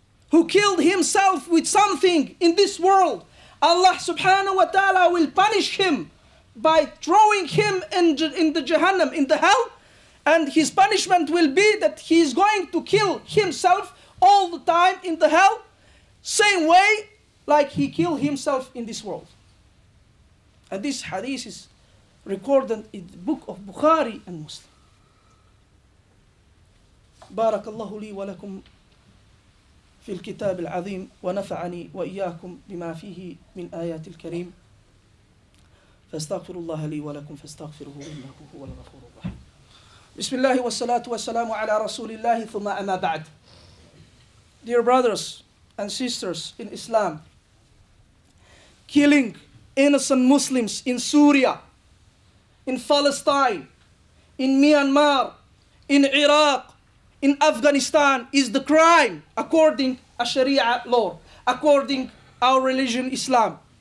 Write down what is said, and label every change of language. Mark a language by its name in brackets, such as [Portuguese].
[English] Who killed himself with something in this world, Allah subhanahu wa ta'ala will punish him by throwing him in the Jahannam, in the hell, and his punishment will be that he is going to kill himself all the time in the hell, same way like he killed himself in this world. And this hadith is recorded in the book of Bukhari and Muslim. [Arabic] Barakallahu li wa lakum في الكتاب العظيم ونفعني وإياكم بما فيه من آيات الكريم فاستغفر الله لي ولكم فاستغفره إنه هو الغفور الرحيم. بسم الله والصلاة والسلام على رسول الله ثم أما بعد. [English] Dear brothers and sisters in Islam, killing innocent Muslims in Syria, in Palestine, in Myanmar, in Iraq, in Afghanistan is the crime according to Sharia law, according our religion Islam.